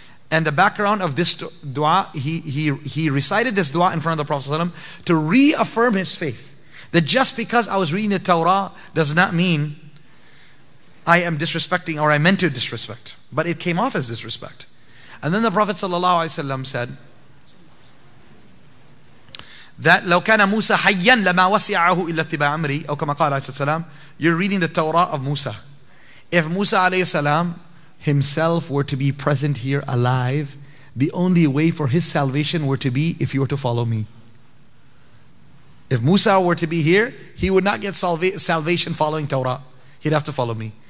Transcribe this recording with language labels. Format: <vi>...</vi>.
<en>And the background of this dua, he recited this dua in front of the Prophet ﷺ to reaffirm his faith. That just because I was reading the Torah does not mean I am disrespecting or I meant to disrespect. But it came off as disrespect. And then the Prophet ﷺ said that</en> <ar>لو كان موسى حيا لما وسعه إلا اتباع أمري أو كما قال عليه السلام.</ar> <en>You're reading the Torah of Musa. If Musa ﷺ himself were to be present here alive, the only way for his salvation were to be if you were to follow me. If Musa were to be here, he would not get salvation following Torah. He'd have to follow me.</en>